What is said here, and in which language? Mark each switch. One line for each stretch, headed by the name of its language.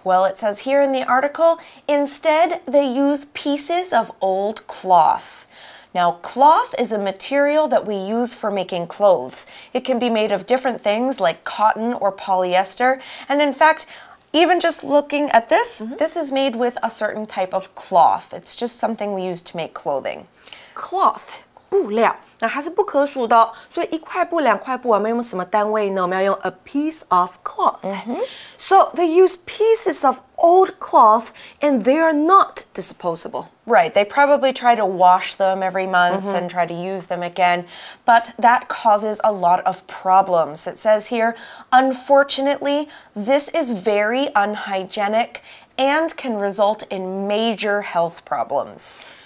English: Well, it says here in the article, instead they use pieces of old cloth. Now, cloth is a material that we use for making clothes. It can be made of different things like cotton or polyester. And in fact, even just looking at this, this is made with a certain type of cloth. It's just something we use to make clothing.
Chinese: Cloth, 布料, 那它是不可数的, 所以一块布、两块布啊，我们用什么单位呢？我们要用
English: a piece of cloth. So they use pieces of old cloth and they are not disposable. Right, they probably try to wash them every month and try to use them again, but that causes a lot of problems. It says here, unfortunately, this is very unhygienic and can result in major health problems.